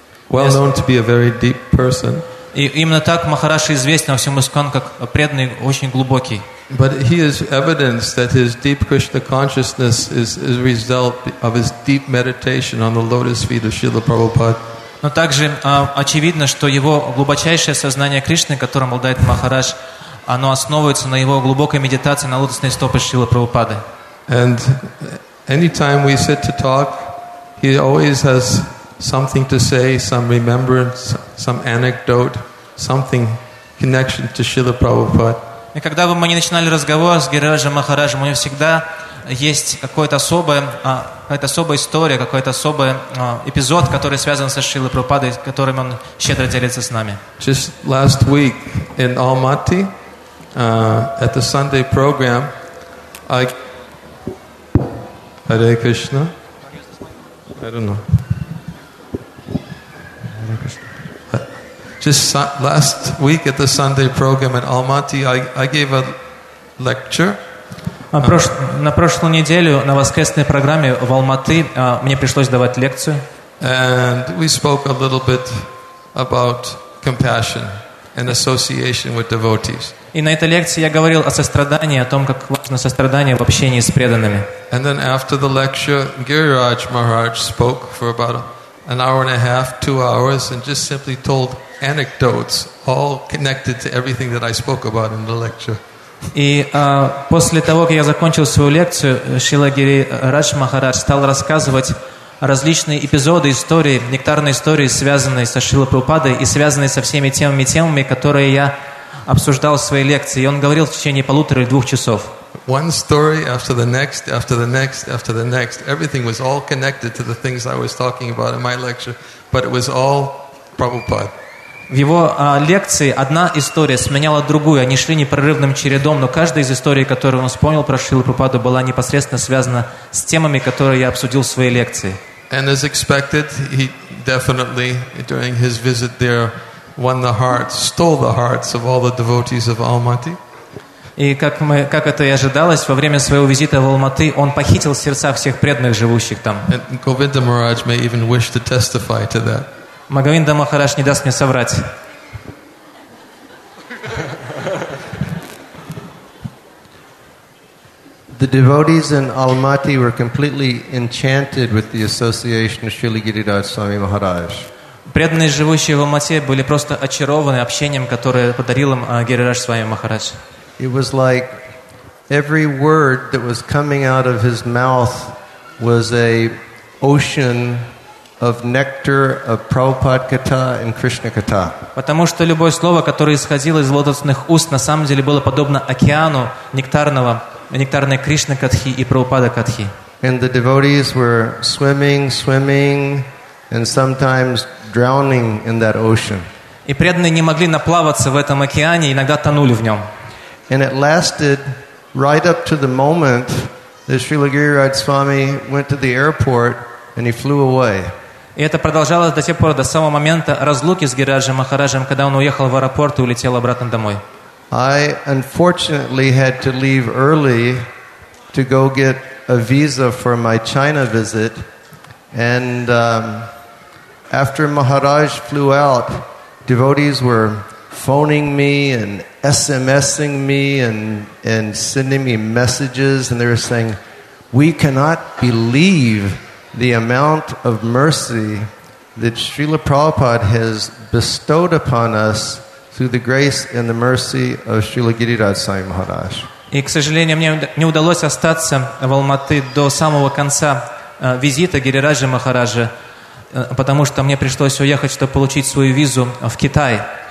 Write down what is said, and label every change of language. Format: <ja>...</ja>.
<en>He is known to be a very deep person.</en> <ru>И именно так Махарадж известен во всем Искон как преданный, очень глубокий.</ru> <en>But he is evidence that his deep Krishna consciousness is a result of his deep meditation on the lotus feet of Srila Prabhupada.</en> <ru>Но также очевидно, что его глубочайшее сознание Кришны, которым обладает Махарадж, оно основывается на его глубокой медитации на лотосные стопы Шрилы Прабхупады.</ru> <en>And anytime we sit to talk, he always has something to say, some remembrance, some anecdote. something connection to Srila Prabhupada.</en> <ru>И когда бы мы ни начинали разговор с Гирираджем Махараджем, у него всегда есть какая-то особая история, какой-то особый эпизод, который связан со Шрилой Прабхупадой, которым он щедро делится с нами.</ru> <en>Just last week in Almaty, at the Sunday program, Hare Krishna. I don't know. Just last week at the Sunday program in Almaty, I gave a lecture.</en> <ru>На прошлую неделю на воскресной программе в Алматы мне пришлось давать лекцию.</ru> <en>And we spoke a little bit about compassion and association with devotees.</en> <ru>И на этой лекции я говорил о сострадании, о том, как важно сострадание в общении с преданными.</ru> <en>And then after the lecture, Giriraj Maharaj spoke for about an hour and a half, 2 hours, and just simply told anecdotes, all connected to everything that I spoke about in the lecture.</en> <ru>И после того, как я закончил свою лекцию, Шрила Гирирадж Махарадж стал рассказывать различные эпизоды, истории, нектарные истории, связанные со Шрилой Прабхупадой и связанные со всеми темами, которые я обсуждал в своей лекции. И он говорил в течение полутора или двух часов.</ru> <en>One story after the next, after the next, after the next. Everything was all connected to the things I was talking about in my lecture, but it was all Prabhupada.</en> <ru>В его лекции одна история сменяла другую. Они шли непрерывным чередом, но каждая из историй, которую он вспомнил про Шрилу Прабхупаду, была непосредственно связана с темами, которые я обсудил в своей лекции.</ru> <en>And as expected, he definitely, during his visit there, won the hearts, stole the hearts of all the devotees of Almaty.</en> <ru>И как это и ожидалось, во время своего визита в Алматы он похитил сердца всех преданных, живущих там.</ru> <en>And Govinda Maharaj may even wish to testify to that.</en> <ru>Магавинда Махарадж не даст мне соврать.</ru> <en>The devotees in Almaty were completely enchanted with the association of Srila Giriraj Swami Maharaj.</en> <ru>Преданные, живущие в Алмате, были просто очарованы общением, которое подарил им Гирирадж Свами Махарадж.</ru> <en>It was like every word that was coming out of his mouth was a ocean of nectar of Prabhupada Katha and Krishna Katha.</en> <ru>Потому что любое слово, которое исходило из лотосных уст, на самом деле было подобно океану нектарной Кришны Катхи и Прабхупада Катхи.</ru> <en>And the devotees were swimming, and sometimes drowning in that ocean.</en> <ru>И преданные не могли наплаваться в этом океане, иногда тонули в нем.</ru> <en>And it lasted right up to the moment that Srila Giriraj Swami went to the airport and he flew away.</en> <ru>И это продолжалось до тех пор, до самого момента разлуки с Гирираджем Махараджем, когда он уехал в аэропорт и улетел обратно домой.</ru> <en>I unfortunately had to leave early to go get a visa for my China visit. And after Maharaj flew out, devotees were phoning me and SMSing me and sending me messages. And they were saying, we cannot believe the amount of mercy that Srila Prabhupada has bestowed upon us through the grace and the mercy of Srila Giriraj Swami Maharaj.</en> <ru>И, к сожалению, мне не удалось остаться в Алматы до самого конца визита Гирираджа Махараджа, потому что мне пришлось уехать, чтобы получить свою визу в Китай.</ru>